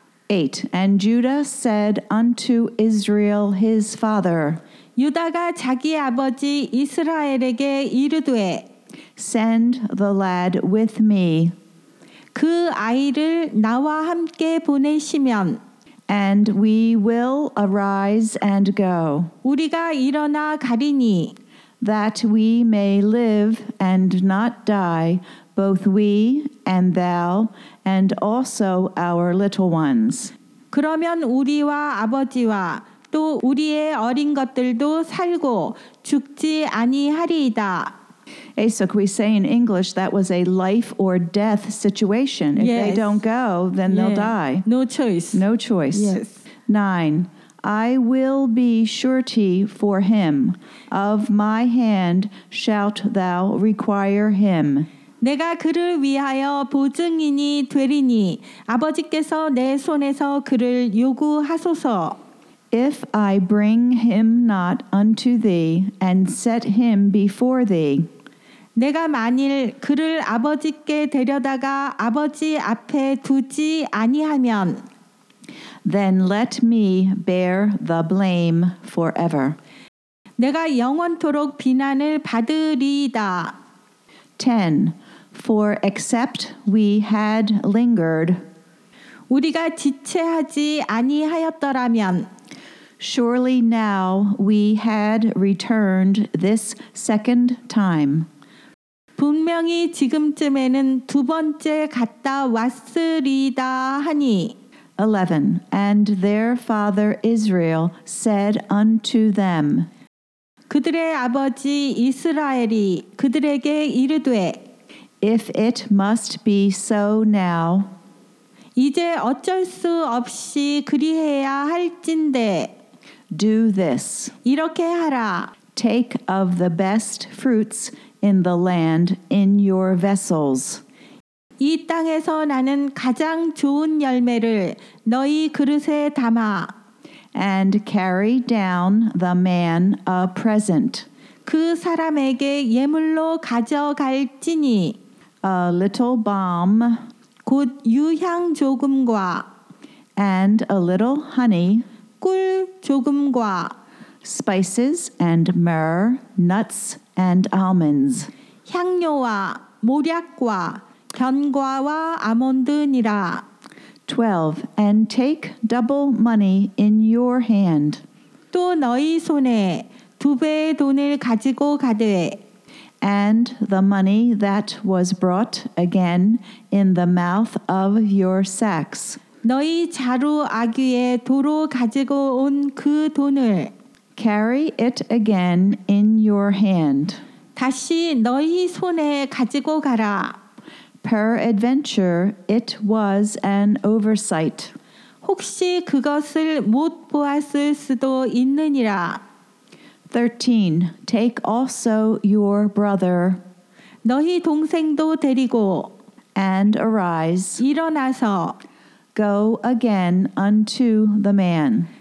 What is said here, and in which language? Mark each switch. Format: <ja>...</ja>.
<en>8. And Judah said unto Israel his father,</en> <ko>유다가 자기 아버지 이스라엘에게 이르되,</ko> <en>Send the lad with me.</en> <ko>그 아이를 나와 함께 보내시면,</ko> <en>And we will arise and go.</en> <ko>우리가 일어나 가리니,</ko> <en>That we may live and not die, both we and thou, and also our little ones.</en> <ko>그러면 우리와 아버지와 또 우리의 어린 것들도 살고 죽지 아니하리이다.</ko> <en>Hey, so can we say in English that was a life or death situation? If yes. they don't go, then yeah. they'll die. No choice. No choice. Yes. 9. I will be surety for him. Of my hand shalt thou require him.</en> <ko>내가 그를 위하여 보증인이 되리니 아버지께서 내 손에서 그를 요구하소서.</ko> <en>If I bring him not unto thee and set him before thee,</en> <ko>내가 만일 그를 아버지께 데려다가 아버지 앞에 두지 아니하면,</ko> <en>Then let me bear the blame forever.</en> <ko>내가 영원토록 비난을 받으리이다.</ko> <en>10. For except we had lingered,</en> <ko>우리가 지체하지 아니하였더라면,</ko> <en>Surely now we had returned this second time.</en> <ko>분명히 지금쯤에는 두 번째 갔다 왔으리다 하니.</ko> <en>11. And their father Israel said unto them,</en> <ko>그들의 아버지 이스라엘이 그들에게 이르되,</ko> <en>If it must be so now,</en> <ko>이제 어쩔 수 없이 그리해야 할진대,</ko> <en>Do this.</en> <ko>이렇게 하라.</ko> <en>Take of the best fruits in the land in your vessels.</en> <ko>이 땅에서 나는 가장 좋은 열매를 너희 그릇에 담아.</ko> <en>And carry down the man a present.</en> <ko>그 사람에게 예물로 가져갈지니.</ko> <en>A little balm.</en> <ko>곧 유향 조금과.</ko> <en>And a little honey.</en> <ko>꿀 조금과.</ko> <en>Spices and myrrh, nuts and almonds.</en> <ko>향료와 모략과 견과와 아몬드니라.</ko> <en>12. And take double money in your hand.</en> <ko>또 너희 손에 두 배의 돈을 가지고 가되.</ko> <en>And the money that was brought again in the mouth of your sacks.</en> <ko>너희 자루 아귀에 도로 가지고 온 그 돈을</ko> <en>Carry it again in your hand.</en> <ko>다시 너희 손에 가지고 가라.</ko> <en>Peradventure, it was an oversight.</en> <ko>혹시 그것을 못 보았을 수도 있느니라.</ko> <en>13. Take also your brother.</en> <ko>너희 동생도 데리고.</ko> <en>And arise.</en> <ko>일어나서.</ko> <en>Go again unto the man.</en>